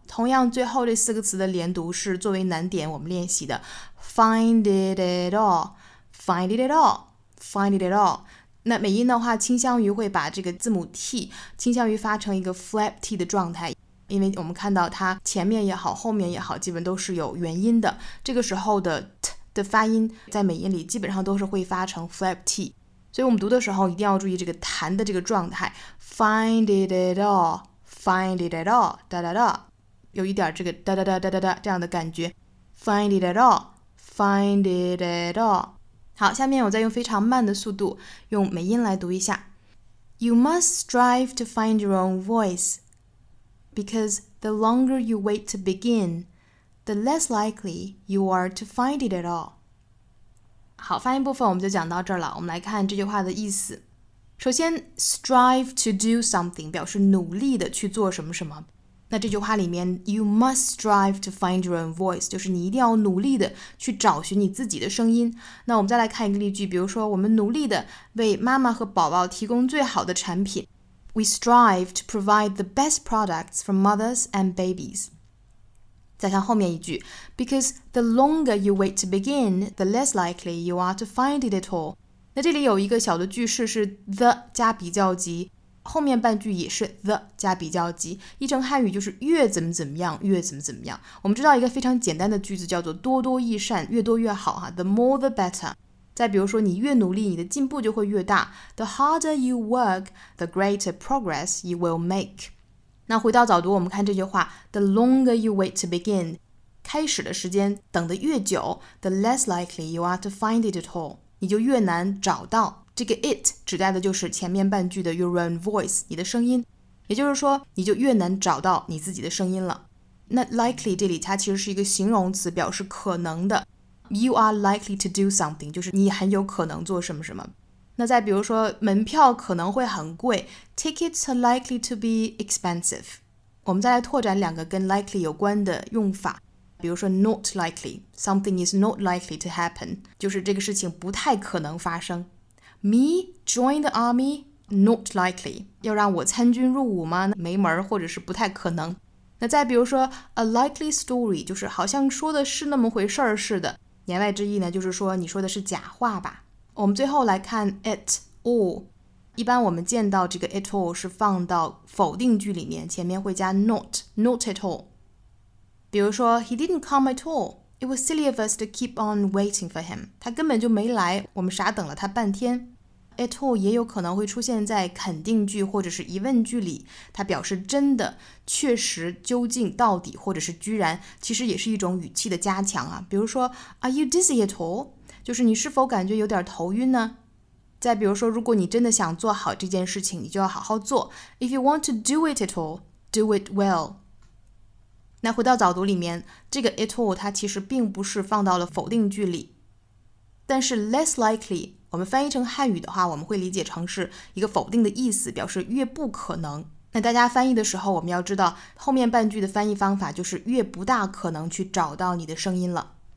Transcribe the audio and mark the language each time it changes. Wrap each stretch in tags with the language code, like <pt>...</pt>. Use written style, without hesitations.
<zh>同样最后这四个词的连读是作为难点我们练习的，</zh> <en>find it at all，</en> <zh>find it at all， find it at all。那美音的话倾向于会把这个字母 T 倾向于发成一个 flap T 的状态，因为我们看到它前面也好后面也好基本都是有元音的，这个时候的 T 的发音在美音里基本上都是会发成 flap T， 所以我们读的时候一定要注意这个弹的这个状态，</zh> <en>find it at all，</en> <zh>find it at all， 哒哒哒，有一点这个哒哒哒哒哒哒这样的感觉， find it at all， find it at all。好，下面我再用非常慢的速度用美音来读一下。</zh> <en>You must strive to find your own voice, because the longer you wait to begin, the less likely you are to find it at all。</en> <zh>好，发音部分我们就讲到这儿了，我们来看这句话的意思。首先 strive to do something 表示努力的去做什么什么，那这句话里面</zh> <en>you must strive to find your own voice</en> <zh>就是你一定要努力的去找寻你自己的声音。那我们再来看一个例句，比如说我们努力的为妈妈和宝宝提供最好的产品，</zh> <en>We strive to provide the best products for mothers and babies。</en> <zh>再看后面一句，</zh> <en>Because the longer you wait to begin, the less likely you are to find it at all。</en> <zh>那这里有一个小的句式是 the 加比较级，后面半句也是 the 加比较级，译成汉语就是越怎么怎么样越怎么怎么样。我们知道一个非常简单的句子叫做多多益善，越多越好哈，</zh> <en>the more the better。</en> <zh>再比如说你越努力你的进步就会越大，</zh> <en>the harder you work the greater progress you will make。</en> <zh>那回到早读我们看这句话，</zh> <en>the longer you wait to begin，</en> <zh>开始的时间等得越久，</zh> <en>the less likely you are to find it at all，</en> <zh>你就越难找到。这个 it 指代的就是前面半句的 your own voice， 你的声音，也就是说你就越难找到你自己的声音了。那 likely 这里它其实是一个形容词，表示可能的，</zh> <en>you are likely to do something</en> <zh>就是你很有可能做什么什么。那再比如说门票可能会很贵，</zh> <en>tickets are likely to be expensive。</en> <zh>我们再来拓展两个跟 likely 有关的用法，比如说</zh> <en>not likely, something is not likely to happen,</en> <zh>就是这个事情不太可能发生。</zh> <en>Me join the army? Not likely.</en> <zh>要让我参军入伍吗？没门儿，或者是不太可能。那再比如说</zh> <en>a likely story,</en> <zh>就是好像说的是那么回事儿似的。言外之意呢，就是说你说的是假话吧。我们最后来看 at all。一般我们见到这个 at all 是放到否定句里面，前面会加 not at all。</zh> <en>比如说 he didn't come at all, it was silly of us to keep on waiting for him.</en> <zh>他根本就没来，我们傻等了他半天。At all 也有可能会出现在肯定句或者是疑问句里，它表示真的、确实、究竟、到底或者是居然，其实也是一种语气的加强啊。</zh> <en>比如说 Are you dizzy at all?</en> <zh>就是你是否感觉有点头晕呢？再比如说，如果你真的想做好这件事情，你就要好好做。</zh> <en>If you want to do it at all, do it well.</en> <zh>那回到早读里面，这个 at all 它其实并不是放到了否定句里，但是 less likely 我们翻译成汉语的话，我们会理解成是一个否定的意思，表示越不可能。那大家翻译的时候，我们要知道后面半句的翻译方法就是越不大可能去找到你的声音了。</zh>